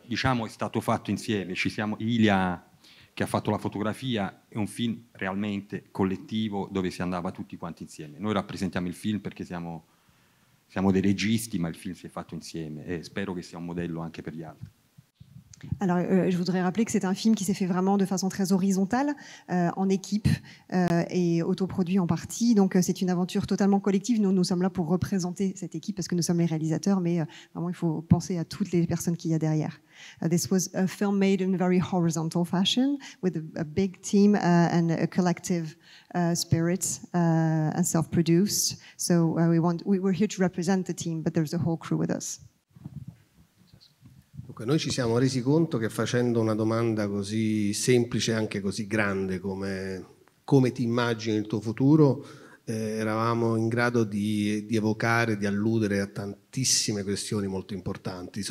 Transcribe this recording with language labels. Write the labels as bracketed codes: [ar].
[it] Diciamo è stato fatto insieme, ci siamo Ilia che ha fatto la fotografia. È un film realmente collettivo dove si andava tutti quanti insieme. Noi rappresentiamo il film perché siamo dei registi, ma il film si è fatto insieme e spero che sia un modello anche per gli altri. [fr] Alors, je voudrais rappeler que c'est un film qui s'est fait vraiment de façon très horizontale, en équipe et autoproduit en partie. Donc, c'est une aventure totalement collective. Nous sommes là pour représenter cette équipe parce que nous sommes les réalisateurs, mais vraiment, il faut penser à toutes les personnes qu'il y a derrière. [en] This was a film made in a very horizontal fashion with a big team and a collective spirit and self-produced. So, we're here to represent the team, but there's a whole crew with us. [it] Noi ci siamo resi conto che facendo una domanda così semplice e anche così grande come ti immagini il tuo futuro, eravamo in grado di evocare, di alludere a tantissime questioni molto importanti.